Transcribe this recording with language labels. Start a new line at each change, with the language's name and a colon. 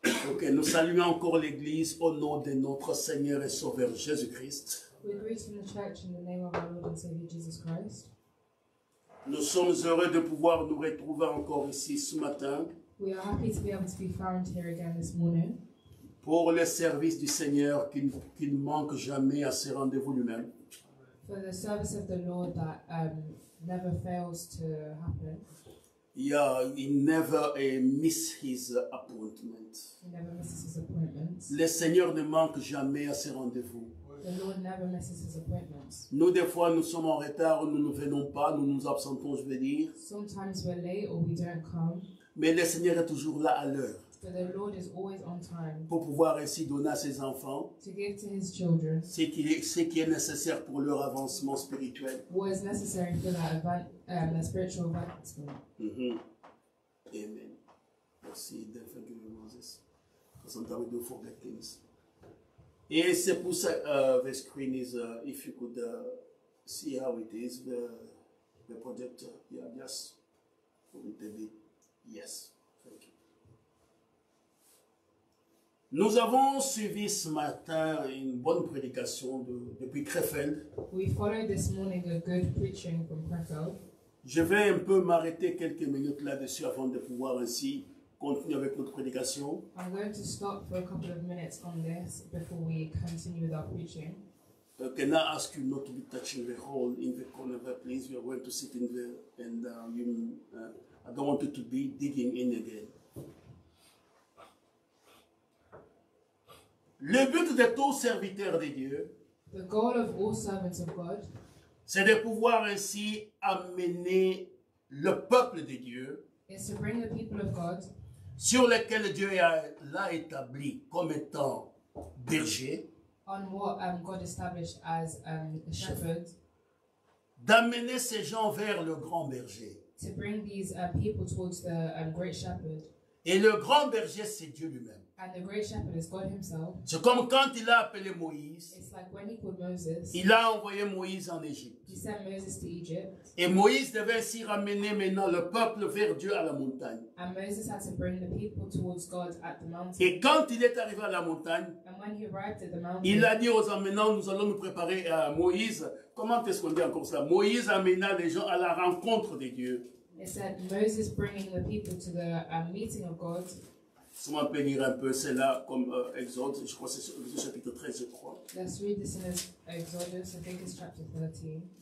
French: Ok, nous saluons encore l'Église au nom de notre Seigneur et Sauveur Jésus-Christ.
English: We greet the church in the name of our Lord and Savior Jesus Christ.
French: Nous sommes heureux de pouvoir nous retrouver encore ici ce matin.
English: We are happy to be able to be found here again this morning.
French: Pour le service du Seigneur qui ne manque jamais à ses rendez-vous lui-même.
English: For the service of the Lord that never fails to happen. Yeah, he never miss his appointment. He never misses his appointments.
French: Le Seigneur ne manque jamais à ses rendez-vous.
English: The Lord never misses his appointments.
French: Nous, des fois, nous sommes en retard, nous ne venons pas, nous nous absentons, je veux dire.
English: Sometimes we're late or we don't come.
French: Mais le Seigneur est toujours là à l'heure.
English: But the Lord is always on time.
French: Pour pouvoir ainsi donner à ses enfants.
English: To give to his children.
French: Ce qui est nécessaire pour leur avancement spirituel.
English: What is necessary for their spiritual advancement.
French: Mm-hmm. Amen. Merci de faire que Moses.
English: Because sometimes we do forget things.
French: Et c'est pour ça,
English: the screen is, if you could see how it is, the projector. Yeah, yes. For the TV. Yes. Thank you.
French: Nous avons suivi ce matin une bonne prédication depuis Krefeld.
English: We followed this morning a good preaching from Krefeld.
French: Je vais un peu m'arrêter quelques minutes là-dessus avant de pouvoir ainsi continuer avec notre prédication.
English: I'm going to stop for a couple of minutes on this before we continue with our preaching. Can I ask you not to be touching the hole in the corner, please? You are going to sit in there and I don't want you to be digging in again.
French: Le but de tous serviteurs de Dieu,
English: the goal of all servants of God,
French: c'est de pouvoir ainsi amener le peuple de Dieu,
English: is to bring the people of God,
French: sur lequel Dieu l'a établi comme étant berger,
English: on what God established as a shepherd,
French: d'amener ces gens vers le grand berger,
English: to bring these people towards the great shepherd.
French: Et le grand berger, c'est Dieu lui-même.
English: And the great shepherd is God himself.
French: C'est comme quand il a appelé Moïse.
English: It's like when he called Moses.
French: Il a envoyé Moïse en Égypte.
English: He sent Moses to Egypt.
French: Et Moïse devait s'y ramener maintenant le peuple vers Dieu à la montagne.
English: And Moses had to bring the people towards God at the mountain.
French: Et quand il est arrivé à la montagne,
English: and when he arrived at the mountain,
French: il a dit aux hommes, maintenant nous allons nous préparer à Moïse. Comment est-ce qu'on dit encore ça? Moïse amena les gens à la rencontre de Dieu.
English: It said Moses bringing the people to the meeting of God.
French: Si on peut lire un peu, c'est là comme Exode, je crois que c'est chapitre 13, je crois.
English: Let's read this in Exodus, I think it's chapter 13.